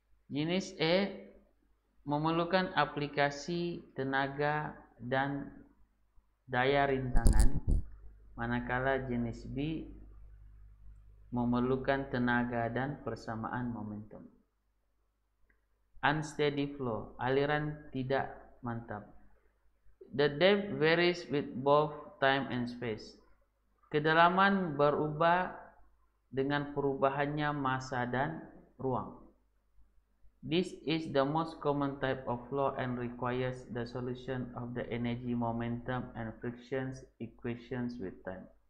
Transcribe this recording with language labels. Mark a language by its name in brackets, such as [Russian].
[Malay] Jenis E memerlukan aplikasi tenaga dan daya rintangan, manakala jenis B memerlukan tenaga dan persamaan momentum. [English] Unsteady flow, [Malay] aliran tidak mantap. [English] The depth varies with both time and space. [Malay] Kedalaman berubah dengan perubahannya massa dan ruang. [English] This is the most common type of flow and requires the solution of the energy, momentum, and frictions equations with time.